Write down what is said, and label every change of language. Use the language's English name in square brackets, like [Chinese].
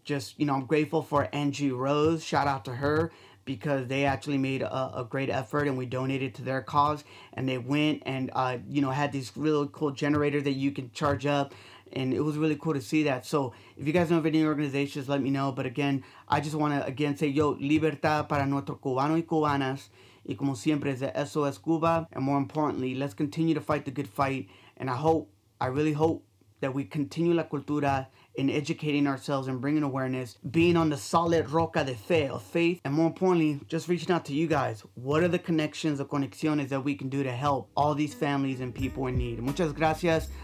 [English] Just, you know, I'm grateful for Angie Rose. Shout out to her, because they actually made a great effort and we donated to their cause, and they went and, you know, had these really cool generators that you can charge up. And it was really cool to see that. So if you guys know of any organizations, let me know. But again, I just want to again say, yo, [Spanish] libertad para nuestro cubano y cubanas. Y como siempre, es de SOS Cuba. [English] And more importantly, let's continue to fight the good fight. And I hope, I really hope that we continue la cultura in educating ourselves and bringing awareness, being on the solid [Spanish] roca de fe, [English] of faith. And more importantly, just reaching out to you guys. What are the connections, the conexiones that we can do to help all these families and people in need? [Spanish] Muchas gracias.